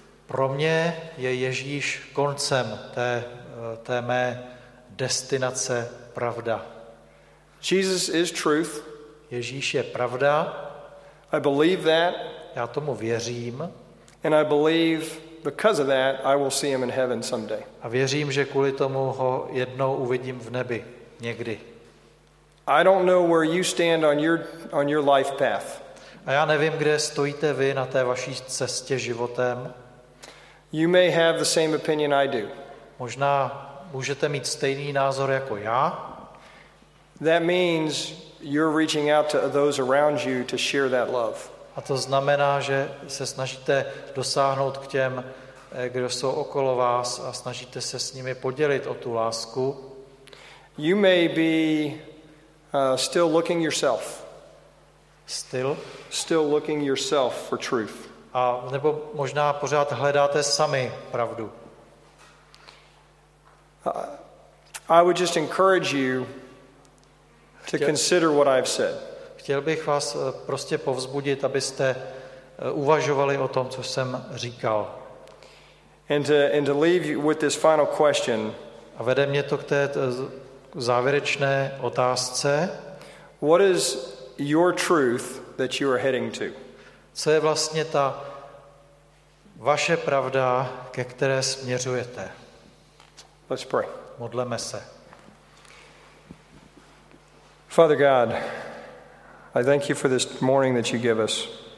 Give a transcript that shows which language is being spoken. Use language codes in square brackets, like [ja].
[cs] Pro mě je Ježíš koncem té mé destinace pravda. [en] Jesus is truth. [cs] Ježíš je pravda. [en] I believe that. [cs] Já tomu věřím. [en] And I believe because of that I will see him in heaven someday. [cs] A věřím, že kvůli tomu ho jednou uvidím v nebi někdy. [en] I don't know where you stand on your life path. [cs] A já nevím, kde stojíte vy na té vaší cestě životem. [en] You may have the same opinion I do. [cs] Možná můžete mít stejný názor jako já. [en] That means you're reaching out to those around you to share that love. [cs] A to znamená, že se snažíte dosáhnout k těm, kdo jsou okolo vás a snažíte se s nimi podělit o tu lásku. [en] You may be still looking yourself. Still looking yourself for truth. [cs] A nebo možná pořád hledáte sami pravdu. [en] I would just encourage you to consider what I've said. [cs] Chtěl bych vás prostě povzbudit, abyste uvažovali o tom, co jsem říkal. [en] And to leave you with this final question. [cs] A vede mě to k té závěrečné otázce. [en] What is your truth that you are heading to? [cs] Co je vlastně ta vaše pravda, ke které směřujete? [en] Let's pray. [cs] Modleme se. [en] Father God, I thank you for this morning that you give us.